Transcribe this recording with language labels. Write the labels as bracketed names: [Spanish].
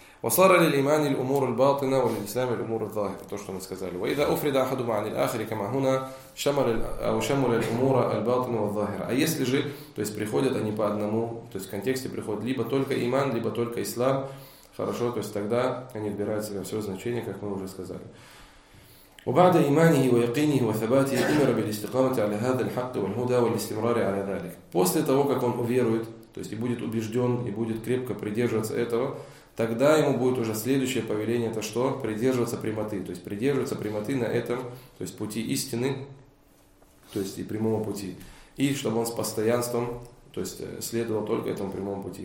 [Arabic] وصار للإيمان الأمور الباطنة وللإسلام الأمور الظاهرة. [Russian] То, что мы сказали. [Arabic] وإذا أفرد أحدهما عن الآخر كما هنا شمل أو شمل الأمور الباطنة والظاهرة. [Russian] А если же, то есть приходят они по одному, то есть в контексте приходят либо только иман, либо только ислам, хорошо, то есть тогда они отбирают себе все значение, как мы уже сказали. [Arabic] وبعد إيمانه ويقينه وثباته أمر بالاستقامة على هذا الحق والهدى والاستمرار على ذلك. [Russian] После того, как он уверует, то есть и будет убежден, и будет крепко придерживаться этого, тогда ему будет уже следующее повеление, это что? Придерживаться прямоты. То есть придерживаться прямоты на этом, то есть пути истины, то есть и прямого пути. И чтобы он с постоянством, то есть следовал только этому прямому пути.